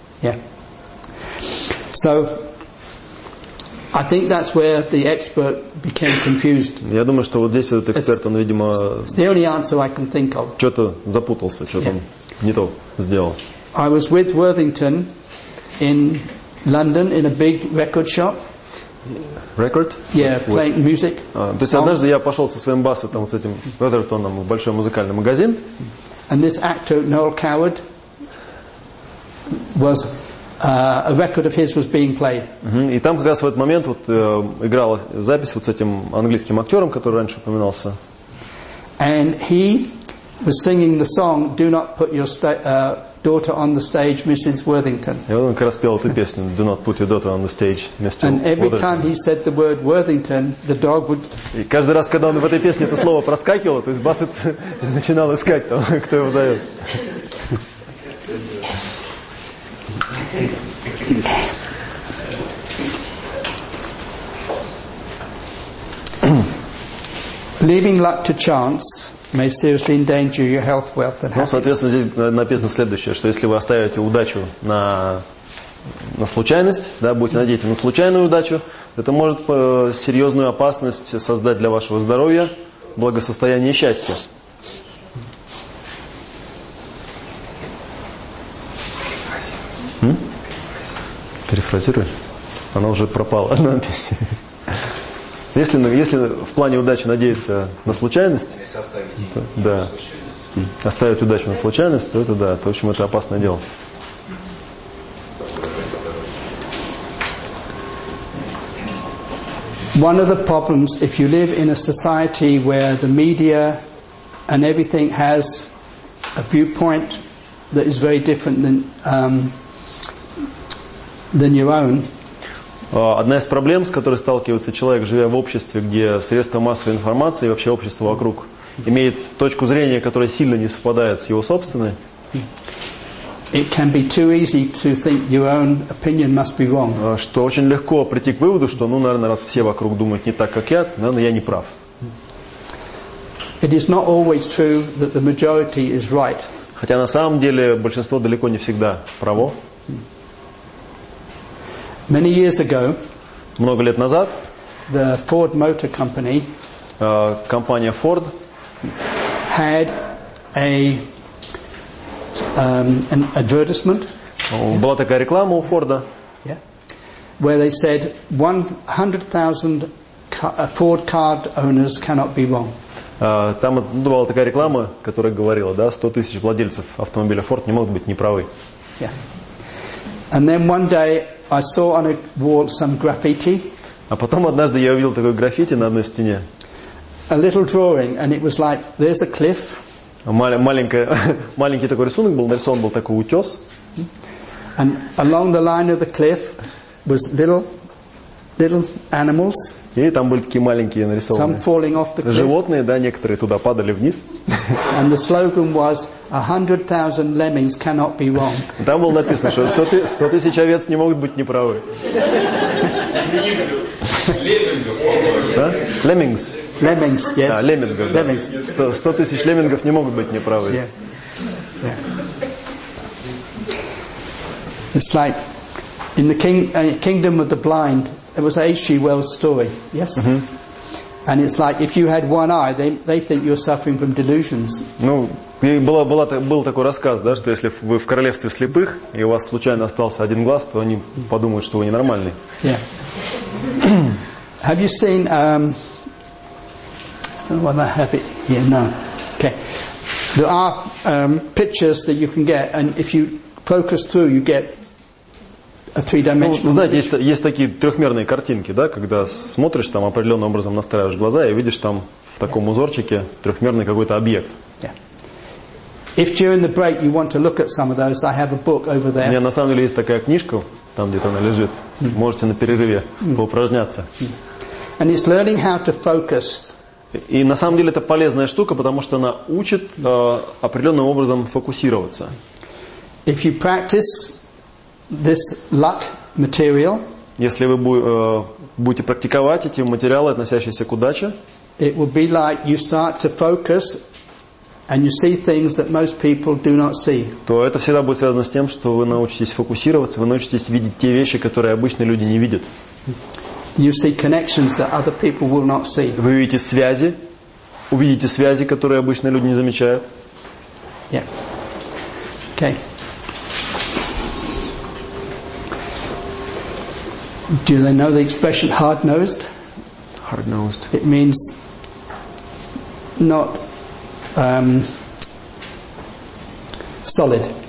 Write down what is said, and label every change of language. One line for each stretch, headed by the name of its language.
English: Yeah. So I think that's where the expert became confused.
Russian: Я думаю, что вот здесь этот эксперт, он, видимо,
English: the only answer I can think of.
Russian: Что-то запутался, что-то он не то сделал.
English: I was with Worthington in London in a big record shop. Record? Yeah, playing music.
Russian: То есть однажды я пошел со своим басом там с этим Worthingtonом в большой музыкальный магазин.
English: And this actor Noel Coward was a record of his was being played.
Russian: И там как раз в этот момент вот играла запись вот с этим английским актером, который раньше упоминался.
English: And he was singing the song "Do Not Put Your Daughter on the stage, Mrs. Worthington."
Russian: И он как раз пел эту песню
English: "Do Not Put Your Daughter on the Stage, Mr. Worthington." And every time he said the word Worthington, the dog would.
Russian: И каждый раз, когда он в этой песне это слово проскакивало, то есть Бассет начинал искать, там, кто его зовет.
English: Leaving luck to chance may seriously endanger your health, wealth, and happiness.
Russian: Ну, соответственно, здесь написано следующее, что если вы оставите удачу на случайность, да, будете надеяться на случайную удачу, это может серьезную опасность создать для вашего здоровья, благосостояния и счастья. Перефразируй. Она уже пропала, надпись. Если в плане удачи надеяться на случайность, оставить удачу на случайность, то это да, то, в общем, это опасное дело.
English: One of the problems, if you live in a society where the media and everything has a viewpoint that is very different than your own.
Russian: Одна из проблем, с которой сталкивается человек, живя в обществе, где средства массовой информации и вообще общество вокруг имеет точку зрения, которая сильно не совпадает с его собственной.
English: it can be too easy to think your own opinion must be wrong.
Russian: Что очень легко прийти к выводу, что, ну, наверное, раз все вокруг думают не так, как я, наверное, я не прав.
English: It is not always true that the majority is right.
Russian: Хотя на самом деле большинство далеко не всегда право.
English: Many years ago,
Russian: много лет назад,
English: the Ford Motor Company,
Russian: компания Ford,
English: had a an advertisement.
Russian: Была такая реклама у Форда.
English: Yeah. Where they said 100,000 Ford car owners cannot be wrong.
Russian: Там была такая реклама, которая говорила, да, 100 тысяч владельцев автомобиля Ford не могут быть неправы.
English: Yeah. And then one day I saw on a wall some graffiti.
Russian: А потом однажды я увидел такое граффити на одной стене.
English: A little drawing, and it was like, there's a cliff.
Russian: Маленький такой рисунок был, нарисован был такой утес.
English: And along the line of the cliff was little animals.
Russian: И там были такие маленькие нарисованы.
English: Some falling off the cliff.
Russian: Животные, да, некоторые туда падали вниз.
English: And the slogan was, 100,000 lemmings cannot be wrong.
Russian: Там было написано, что 100 тысяч овец не могут быть неправы.
English: Lemmings. Lemmings, yes.
Russian: Да, леммингов, да. Lemmings. 100 тысяч леммингов не могут быть неправы.
English: Yeah. Yeah. It's like in the kingdom of the blind, it was H.G. Wells' story, yes? Mm-hmm. And it's like if you had one eye, they think you're suffering from delusions.
Russian: Ну, был такой рассказ, да, что если вы в королевстве слепых, и у вас случайно остался один глаз, то они подумают, что вы ненормальный.
English: Yeah. Have you seen... Well, I have it here. No. Okay. There are pictures that you can get, and if you focus through, you get a three-dimensional.
Russian: Ну, знаете, есть такие трехмерные картинки, да, когда смотришь там определенным образом настраиваешь глаза и видишь там в таком узорчике трехмерный какой-то объект.
English: Yeah. If during the break you want to look at some of those, I have a book over there.
Russian: У меня на самом деле есть такая книжка, там где-то она лежит. Mm. Можете на перерыве поупражняться.
English: Mm. And it's learning how to focus.
Russian: И на самом деле это полезная штука, потому что она учит определенным образом фокусироваться.
English: If you practice this luck material,
Russian: если вы будете практиковать эти материалы, относящиеся к удаче,
English: it will be like you start to focus and you see things that most people do not see.
Russian: То это всегда будет связано с тем, что вы научитесь фокусироваться, вы научитесь видеть те вещи, которые обычно люди не видят.
English: You see connections that other people will not see.
Russian: Вы видите связи, увидите связи, которые обычно люди не замечают.
English: Yeah. Okay. Do they know the expression hard-nosed? Hard-nosed. It means not solid.